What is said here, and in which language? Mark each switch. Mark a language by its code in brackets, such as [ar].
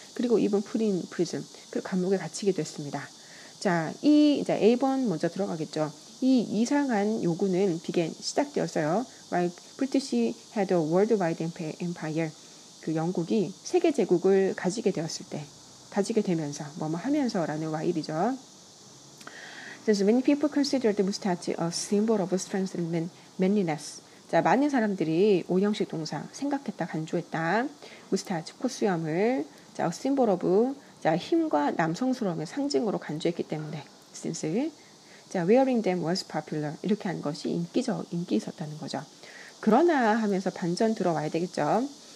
[ko] 그리고 이번 프리즘 그 감옥에 갇히게 됐습니다. 자, 이 이제 A번 먼저 들어가겠죠. 이 이상한 요구는 [en] began [ko] 시작되었어요. [en] Like British had a worldwide empire. [ko] 그 영국이 세계 제국을 가지게 되었을 때 가지게 되면서 뭐뭐 하면서라는 와일이죠. [en] Since many people considered the moustache a symbol of strength and manliness. [ko] 자, 많은 사람들이 5형식 동사 생각했다 간주했다. Moustache 코수염을 자, a symbol of 자, 힘과 남성스러움의 상징으로 간주했기 때문에 since 자, [en] wearing them was popular. [ko] 이렇게 한 것이 인기 있었다는 거죠. 그러나 하면서 반전 들어와야 되겠죠.